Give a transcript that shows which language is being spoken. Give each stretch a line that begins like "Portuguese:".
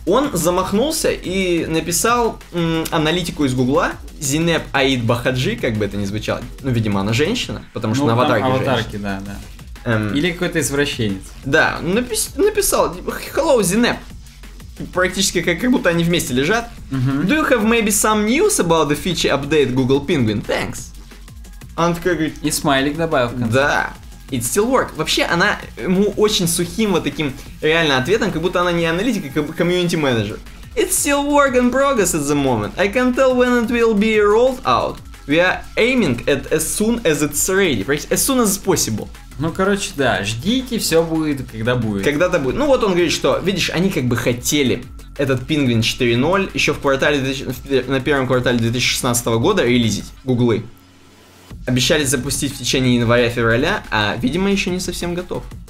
Russian: Он замахнулся и написал аналитику из Гугла, Зинеб Аид Бахаджи, как бы это ни звучало. Ну, видимо, она женщина, потому что на аватарке женщина. Аватарки, да, да. Или какой-то извращенец. Да, написал Hello, Zineb. Практически как будто они вместе лежат.
English: Do you have maybe some news about the feature update Google Penguin?
Russian: Thanks. Он такой говорит. И смайлик добавил в конце.
English: Да, it still work.
Russian: Вообще она ему очень сухим вот таким реально ответом, как будто она не аналитик, а комьюнити менеджер.
English: It still work in progress at the moment. I can't tell when it will be rolled out. We are aiming at as soon as it's ready. As soon as possible.
Russian: Ну, короче, да, ждите, все будет, когда будет. Когда-то будет. Ну, вот он говорит, что, видишь, они как бы хотели этот Penguin 4.0 еще на первом квартале 2016 года релизить, гуглы. Обещали запустить в течение января-февраля, а, видимо, еще не совсем готов.